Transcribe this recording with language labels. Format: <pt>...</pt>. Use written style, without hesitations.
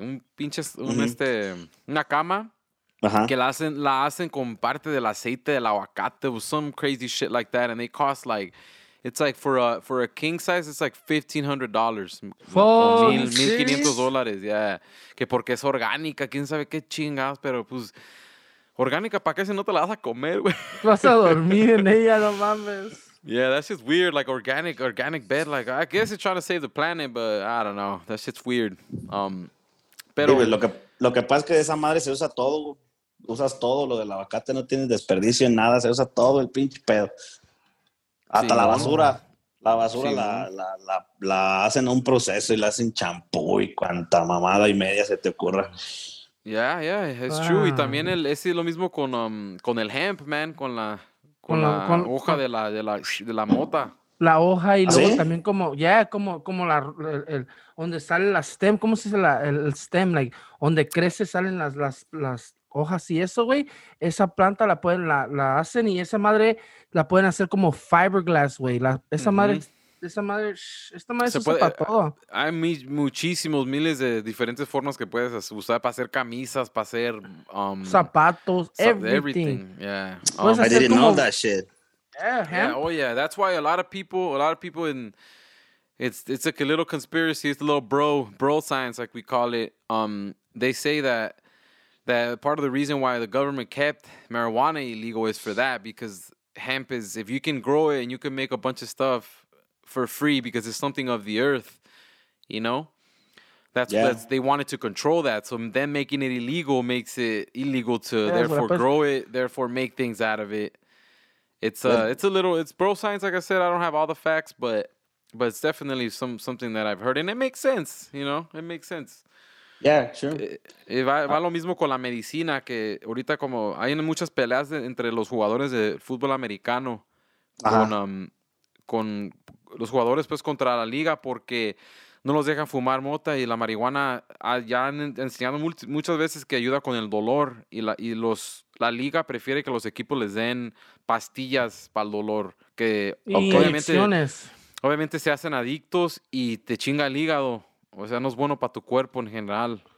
<es>Un pinche, una cama que la hacen con parte del aceite del aguacate,</es> <en>some crazy shit like that, and they cost like, it's like for a king size, it's like $1,500. $1,500, yeah.</en> <es>Que porque es orgánica, quién sabe qué chingas, pero pues, orgánica, ¿para qué si no te la vas a comer, güey? Vas a dormir en ella, no mames.</es> <en>Yeah, that's just weird, like organic bed. Like, I guess it's trying to save the planet, but I don't know. That shit's weird.</en> <es>Pero sí, lo que pasa es que de esa madre se usa todo. Usas todo lo del aguacate, no tienes desperdicio en nada. Se usa todo el pinche pedo. Hasta sí, la basura. La basura sí, la hacen un proceso y la hacen champú y cuanta mamada y media se te ocurra.</es> <en>Yeah, it's true.</en> <es>Y también es lo mismo con el hemp, man, con la hoja de la mota. La hoja y luego también como, como la, el donde sale la stem, ¿cómo se dice? El stem, like, donde crece salen las hojas y eso, güey, esa planta la pueden, la hacen, y esa madre la pueden hacer como fiberglass, güey. Esta madre se puede, para todo. Hay muchísimos, miles de diferentes formas que puedes usar para hacer camisas, para hacer zapatos,</es> <en>everything. Yeah. I didn't know that shit. Yeah, oh yeah, that's why a lot of people in, it's like a little conspiracy, it's a little bro science, like we call it. They say that part of the reason why the government kept marijuana illegal is for that, because hemp is, if you can grow it and you can make a bunch of stuff for free because it's something of the earth, you know, that's they wanted to control that. So them making it illegal makes it illegal to therefore grow it, therefore make things out of it. It's bro science. Like I said, I don't have all the facts, but it's definitely something that I've heard, and it makes sense. You know, it makes sense. Yeah, sure.</en> <es>Va lo mismo con la medicina, que ahorita como hay muchas peleas entre los jugadores de fútbol americano con los jugadores, pues, contra la liga, porque no los dejan fumar mota, y la marihuana ya han enseñado muchas veces que ayuda con el dolor, y la liga prefiere que los equipos les den pastillas para el dolor, que obviamente se hacen adictos y te chinga el hígado, o sea, no es bueno para tu cuerpo en general.</es>